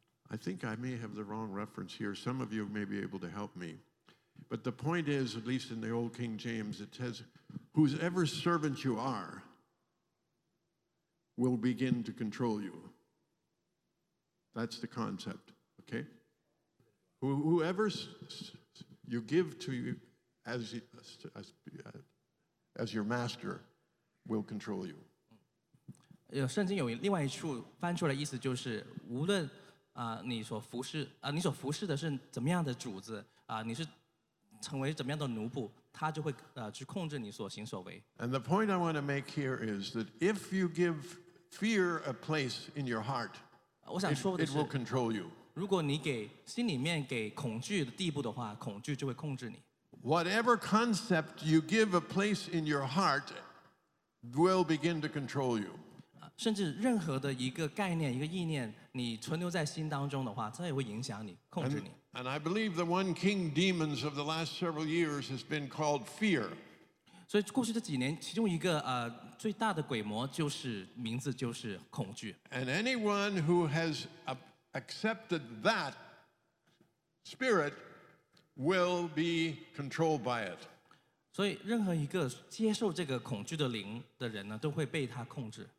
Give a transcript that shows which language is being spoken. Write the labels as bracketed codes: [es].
[en] I think I may have the wrong reference here. Some of you may be able to help me. But the point is, at least in the old King James, it says, whosoever servant you are will begin to control you. That's the concept, okay? Whoever you give to you,As your master will control you. [zh] 有圣经有另外一处翻出来意思就是，无论你所服侍的是怎么样的主子你是成为怎么样的奴仆，他就会去控制你所行所为。 [en] And the point I want to make here is that if you give fear a place in your heart, [zh] 我想说的是 [en] it will control you. [zh] 如果你给心里面给恐惧的地步的话，恐惧就会控制你。 [en] Whatever concept you give a place in your heart will begin to control you. [zh] 甚至任何的一个概念一个意念你存留在心当中的话它也会影响你控制你。 [en] And I believe the one king demons of the last several years has been called fear. [zh] 所以过去的几年其中一个最大的鬼魔就是名字就是恐惧。 [en] And anyone who has accepted that spirit,will be controlled by it. [zh] 所以任何一个接受这个恐惧的灵的人呢，都会被他控制。